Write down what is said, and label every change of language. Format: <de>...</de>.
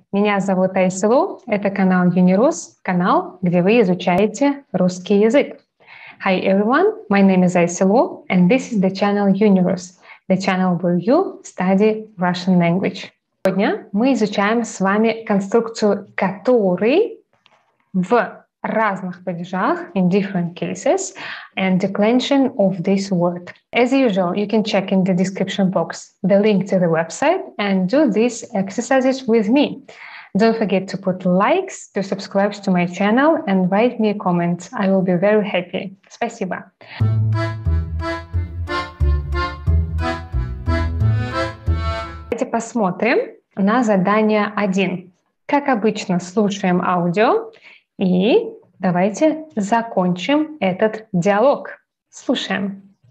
<ru>Меня зовут Айсулу, это канал Юнирус, канал, где вы изучаете русский язык.</ru> <en>Hi everyone, my name is Айсулу, and this is the channel Юнирус, the channel where you study Russian language.</en> <ru>Сегодня мы изучаем с вами конструкцию «который» в разных падежах,</ru> <en>in different cases, and declension of this word. As usual, you can check in the description box the link to the website and do these exercises with me. Don't forget to put likes, to subscribe to my channel and write me a comment. I will be very happy.</en> <ru>Спасибо. Давайте посмотрим на задание 1. Как обычно, слушаем аудио и давайте закончим этот диалог. Слушаем.</ru>